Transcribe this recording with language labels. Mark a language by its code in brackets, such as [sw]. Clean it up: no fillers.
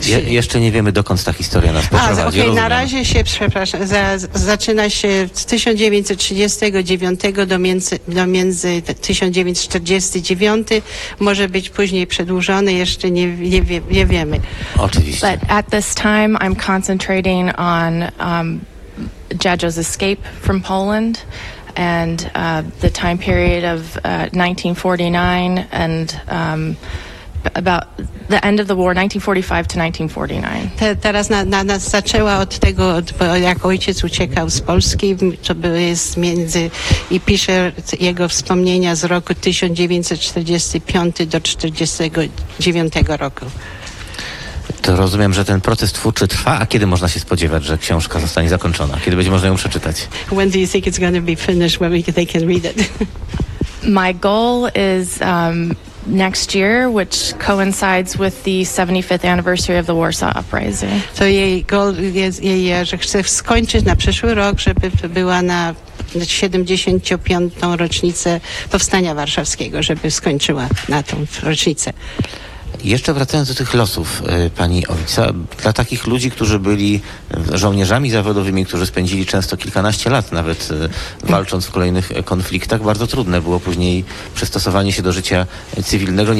[pl] Jeszcze nie wiemy, dokąd ta historia nas poprowadzi. Okej, na razie się, przepraszam, zaczyna się z 1939 do 1949, może być później przedłużony, jeszcze nie wiemy. Oczywiście. [en] But at this time I'm concentrating on Jadzio's escape from Poland. And the time period of 1949 and about the end of the war, 1945 to 1949. [pl] Teraz nas zaczęła od tego, jak ojciec uciekał z Polski, to jest między, i pisze jego wspomnienia z roku 1945 do 1949 roku. To rozumiem, że ten proces twórczy trwa, a kiedy można się spodziewać, że książka zostanie zakończona? Kiedy będzie można ją przeczytać? [en] When do you think it's going to be finished, when they can read it? My goal is next year, which coincides with the 75th anniversary of the Warsaw Uprising. [pl] To jej goal jest, że chce skończyć na przyszły rok, żeby była na 75. rocznicę Powstania Warszawskiego, żeby skończyła na tą rocznicę. Jeszcze wracając do tych losów, pani ojca, dla takich ludzi, którzy byli żołnierzami zawodowymi, którzy spędzili często kilkanaście lat nawet walcząc w kolejnych konfliktach, bardzo trudne było później przystosowanie się do życia cywilnego.